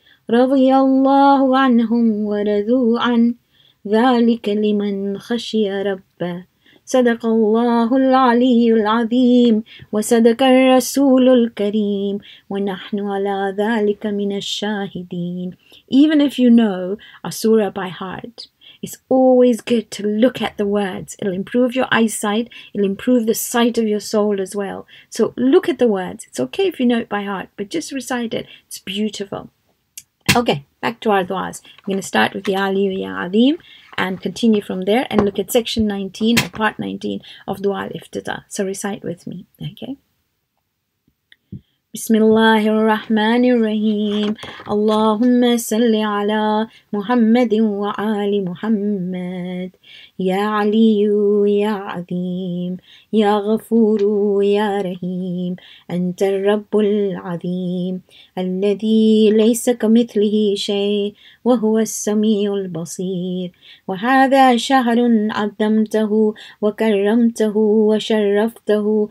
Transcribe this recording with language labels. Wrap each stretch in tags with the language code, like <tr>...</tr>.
<ar>رضي الله عنهم ورضوا عنه ذلك لمن خشي ربه صدق الله العلي العظيم وصدق الرسول الكريم ونحن على ذلك من الشاهدين.</ar> <en>Even if you know a surah by heart, it's always good to look at the words. It'll improve your eyesight, it'll improve the sight of your soul as well. So look at the words. It's okay if you know it by heart, but just recite it. It's beautiful. Okay, back to our du'as. We're going to start with the Aliyu Ya Azim and continue from there and look at section 19 or part 19 of Dua al-Iftita. So recite with me, okay?</en> <ar>بسم الله الرحمن الرحيم اللهم صل على محمد وآل محمد يا علي يا عظيم يا غفور يا رحيم أنت الرب العظيم الذي ليس كمثله شيء وهو السميع البصير وهذا شهر عظمته وكرمته وشرفته</ar>